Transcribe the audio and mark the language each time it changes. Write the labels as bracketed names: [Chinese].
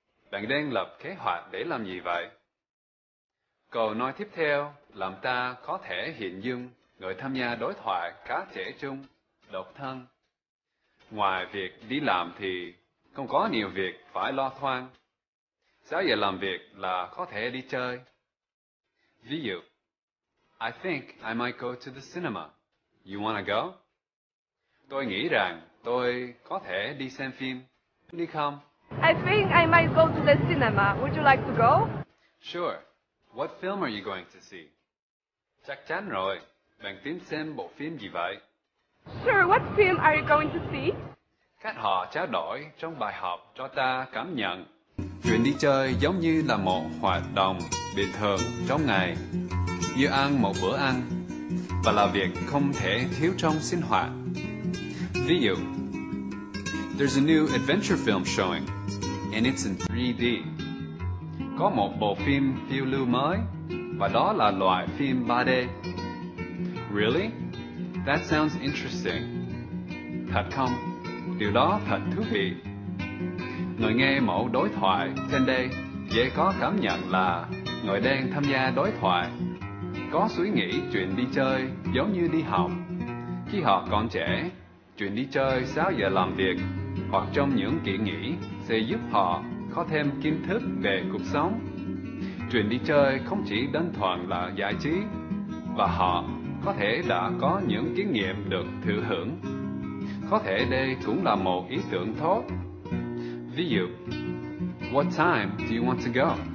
[Vietnamese] Bạn đang lập kế hoạch để làm gì vậy? Câu nói tiếp theo làm ta có thể hình dung người tham gia đối thoại cá thể chung, độc thân. Ngoài việc đi làm thì không có nhiều việc phải lo toan. Sau giờ làm việc là có thể đi chơi. Ví dụ, [English] I think I might go to the cinema. You wanna go? [Vietnamese] Tôi nghĩ rằng tôi có thể đi xem phim. Đi không? [English] I think I might go to the cinema. Would you like to go? Sure. What film are you going to see? [Vietnamese] Chắc chắn rồi. Bạn tính xem bộ phim gì vậy? [English] Sure. What film are you going to see? [Vietnamese] Cách họ trao đổi trong bài học cho ta cảm nhận chuyện đi chơi giống như là một hoạt động bình thường trong ngày, như ăn một bữa ăn và là việc không thể thiếu trong sinh hoạt. Ví dụ, [English] there's a new adventure film showing, and it's in 3D. [Vietnamese] Có một bộ phim phiêu lưu mới, và đó là loại phim 3D. [English] Really? That sounds interesting. [Vietnamese] Thật không? Điều đó thật thú vị. Người nghe mẫu đối thoại trên đây dễ có cảm nhận là người đang tham gia đối thoại có suy nghĩ chuyện đi chơi giống như đi học. Khi họ còn trẻ, chuyện đi chơi sau giờ làm việc hoặc trong những kỳ nghỉ sẽ giúp họ có thêm kiến thức về cuộc sống. Chuyện đi chơi không chỉ đơn thuần là giải trí, và họ có thể đã có những kinh nghiệm được thụ hưởng. Có thể đây cũng là một ý tưởng tốt. Ví dụ, [English] what time do you want to go?